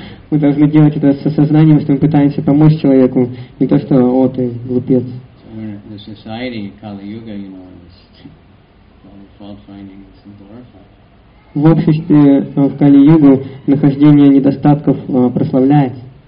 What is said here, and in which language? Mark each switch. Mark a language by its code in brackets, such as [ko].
[ru] Мы должны делать это с осознанием, что мы пытаемся помочь человеку, не то, что, о, ты глупец. [en] the society in Kali Yuga, you know, is all the fault finding is glorified. [ru] В обществе в Кали-Югу нахождение недостатков прославляется.